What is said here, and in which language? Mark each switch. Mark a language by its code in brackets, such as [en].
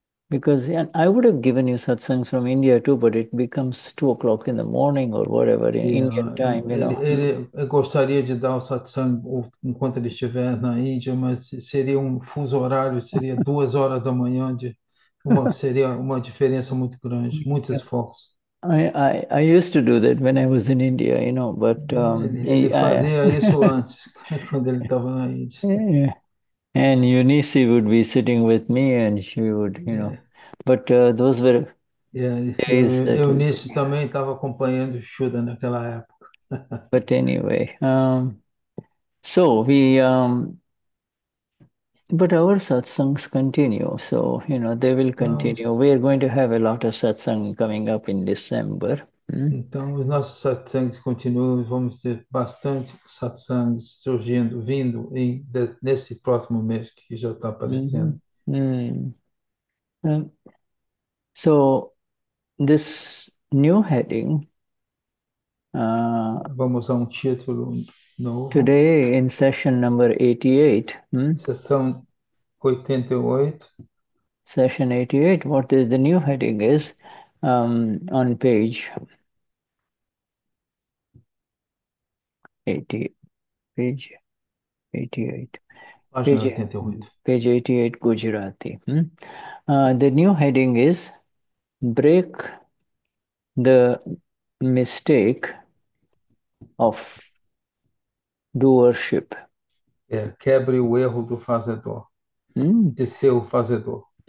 [en] Because I would have given you satsangs from India too, but it becomes 2 o'clock in the morning or whatever in Indian time, [pt] Ele gostaria de dar o satsang enquanto ele estiver na Índia, mas seria um fuso horário, seria 2 horas da manhã de. Seria uma diferença muito grande, muito esforço. [en] I used to do that when I was in India, but [pt] Ele fazia isso antes, quando ele estava na Índia. [en] And Eunice would be sitting with me, and she would, but those were days that would [pt] Eunice também estava acompanhando o Shuda naquela época. [en] be. But anyway, so we, but our satsangs continue, so they will continue. We are going to have a lot of satsang coming up in December. [pt] Então, os nossos satsangs continuam, vamos ter bastante satsangs surgindo, vindo nesse próximo mês que já está aparecendo. [en] So this new heading, [pt] Vamos a um título novo. [en] today in session number 88, [pt] Sessão 88. [en] session 88, what is the new heading is on page 80, page 88, [pt] Página [en] page. 88. Page 88, Gujarati. The new heading is Break the Mistake of Doership. [pt] Quebre o erro do fazedor, de ser o fazedor.